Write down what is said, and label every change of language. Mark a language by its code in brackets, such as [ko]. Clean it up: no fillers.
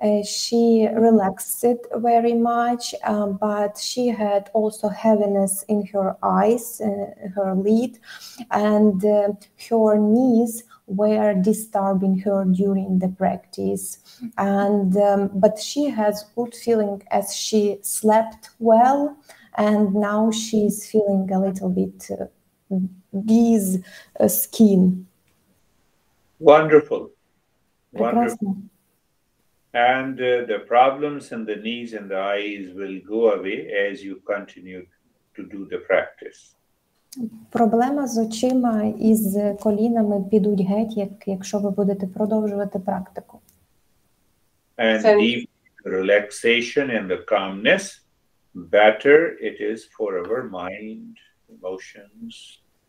[en] She relaxed very much, but she had also heaviness in her eyes, her lid, and her knees were disturbing her during the practice, and but she has good feeling as she slept well, and now she's feeling a little bit these skin. Wonderful, wonderful. And the problems in the knees and the eyes will go away as you continue to do the practice. [uk] Проблема з очима і з колінами підуть геть, якщо ви будете продовжувати практику. [en] And so, deep relaxation and the calmness, better it is for our mind, emotions.